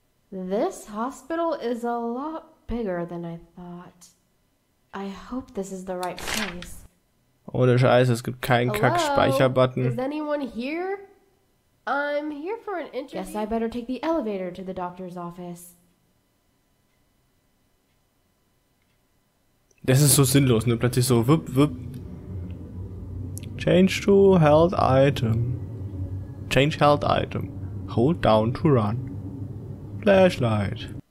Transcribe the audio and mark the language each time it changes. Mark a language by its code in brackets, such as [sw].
[en] This hospital is a lot bigger than I thought. I hope this is the right place. [de] Ohne Scheiß, es gibt keinen Kack-Speicher-Button. [en] Is anyone here? I'm here for an interview. Guess I better take the elevator to the doctor's office. [de] Das ist so sinnlos, ne? Plötzlich so wupp wupp. [en] Change to health item. Change health item. Hold down to run. Flashlight.